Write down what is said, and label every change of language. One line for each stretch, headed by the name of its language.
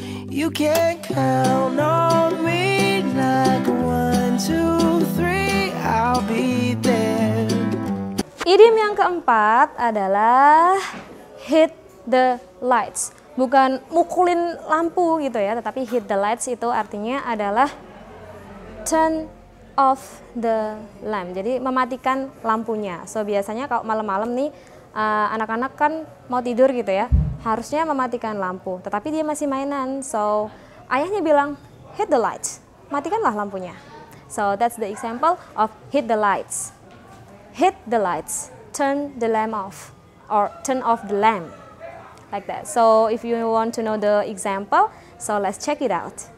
English: You can count on me like 1, 2, 3, I'll be there.
Indonesian: Idiom yang keempat adalah hit the lights. Bukan mukulin lampu gitu ya, tetapi hit the lights itu artinya adalah
English: turn off the lamp.
Indonesian: Jadi mematikan lampunya. So biasanya kalau malam-malam nih anak-anak kan mau tidur gitu ya, harusnya mematikan lampu. Tetapi dia masih mainan. So ayahnya bilang hit the lights, matikanlah lampunya.
English: So that's the example of hit the lights. Hit the lights, turn the lamp off, or turn off the lamp. Like that. So if you want to know the example, so let's check it out.